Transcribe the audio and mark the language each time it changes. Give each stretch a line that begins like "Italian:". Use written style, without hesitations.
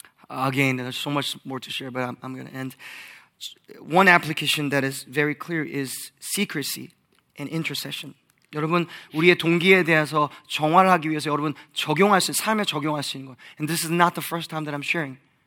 English: Again, there's so much more to share, but I'm going to end. One application that is very clear is secrecy and intercession.
Korean: 여러분, 우리의 동기에 대해서 정화를 하기 위해서 여러분 적용할 수 삶에 적용할 수 있는 거.
English: And this is not the first time that I'm sharing.